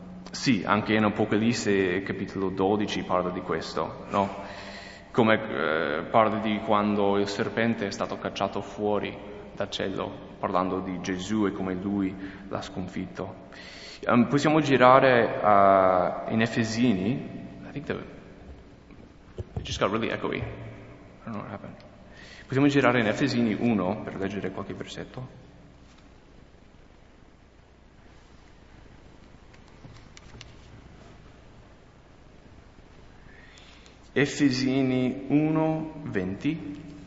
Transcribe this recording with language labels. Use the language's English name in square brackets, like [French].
[Italian] Sì, anche in Apocalisse capitolo 12 parla di questo, no? Come parla di quando il serpente è stato cacciato fuori dal cielo, parlando di Gesù e come lui l'ha sconfitto. Possiamo girare in Efesini. [English] I think they just got really echoey. I don't know what happened. [Italian] Possiamo girare in Efesini 1 per leggere qualche versetto. Efesini 1, 20.